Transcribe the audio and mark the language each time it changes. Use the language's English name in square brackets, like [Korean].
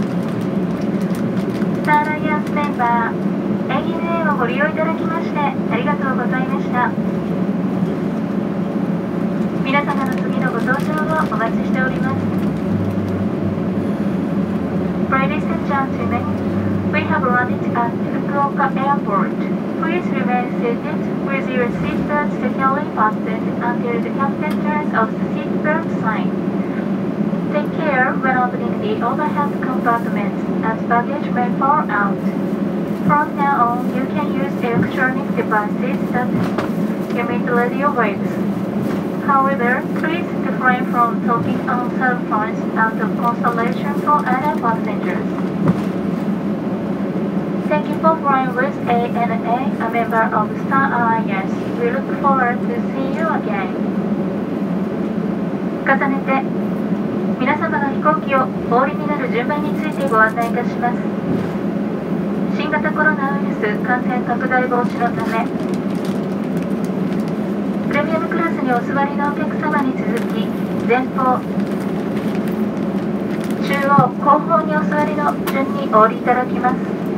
[Japanese] スターライアンスメンバー、 ANA をご利用いただきましてありがとうございました。皆様の次のご搭乗をお待ちしております。 [English] Ladies and gentlemen, we have landed at Fukuoka Airport. Please remain seated with your seatbelt securely fastened until the captain turns off the seatbelt sign. Take care when opening the overhead compartment, as baggage may fall out. From now on, you can use electronic devices that emit radio waves. However, please refrain from talking on cell phones out of consideration for other passengers. Thank you for flying with ANA, a member of Star Alliance. We look forward to seeing you again. [Japanese] 重ねて、皆様の飛行機を降りになる順番についてご案内いたします。新型コロナウイルス感染拡大防止のため、プレミアムクラスにお座りのお客様に続き、前方、中央、後方にお座りの順にお降りいただきます。